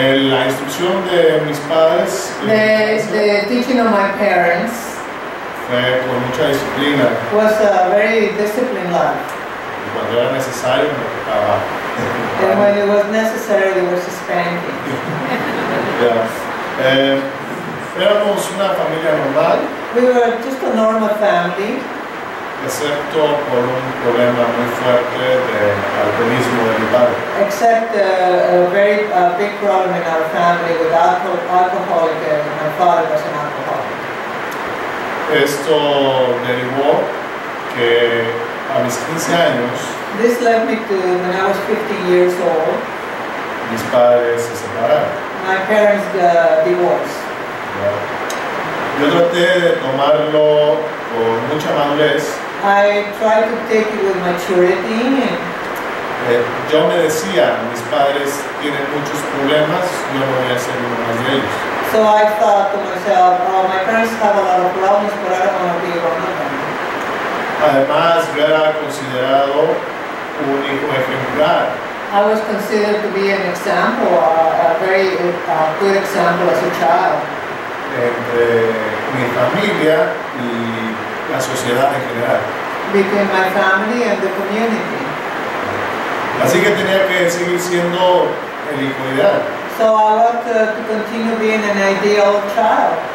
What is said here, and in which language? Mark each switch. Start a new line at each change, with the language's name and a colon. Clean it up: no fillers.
Spanish: La instrucción de mis padres.
English: The teaching of my parents.
Spanish: Fue con mucha disciplina.
English: Was a very disciplined life.
Spanish: Cuando era necesario, me tocaba.
English: And when it was necessary, there was a spanking. Yeah.
Spanish: Éramos una familia normal.
English: We were just a normal family.
Spanish: Excepto por un problema muy fuerte de alcoholismo de mi padre.
English: Except a very big problem in our family with alcoholic, my father was an alcoholic.
Spanish: Esto derivó que a mis 15 años.
English: This led me to when I was 15 years old.
Spanish: Mis padres se separaron.
English: My parents divorced. Yeah.
Spanish: Yo traté de tomarlo con mucha madurez.
English: I tried to take it with maturity.
Spanish: Yo me decía, mis padres tienen muchos problemas, yo no voy a ser uno más de ellos.
English: So I thought to myself, oh, my parents have a lot of problems, but I don't want to be one of them.
Spanish: Además, yo era considerado un hijo ejemplar.
English: I was considered to be an example, a very good example as a child.
Spanish: Entre mi familia y la sociedad en general.
English: Between my family and the community.
Spanish: Así que tenía que seguir siendo el hijo ideal.
English: So I want to continue being an ideal child.